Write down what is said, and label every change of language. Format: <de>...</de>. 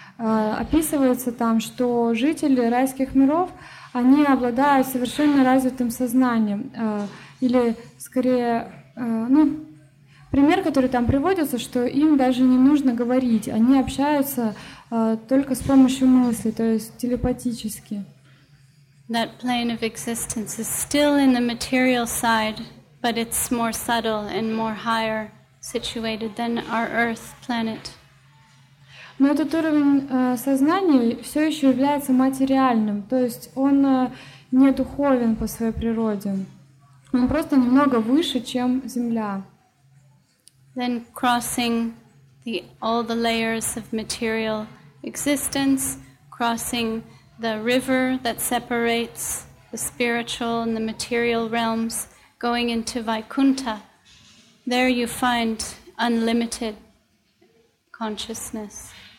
<ru>Описывается там, что жители райских миров, они обладают совершенно развитым сознанием, или скорее, ну, пример, который там приводится, что им даже не нужно говорить, они общаются только с помощью мысли, то есть телепатически.</ru> <en>That plane of existence is still in the material side, but it's more subtle and more higher situated than our Earth planet.</en> <ru>Но этот уровень сознания все еще является материальным, то есть он не духовен по своей природе. Он просто немного выше, чем Земля.</ru> <en>Then crossing all the layers of material existence, crossing the river that separates the spiritual and the material realms, going into Vaikuntha, there you find unlimited consciousness.</en>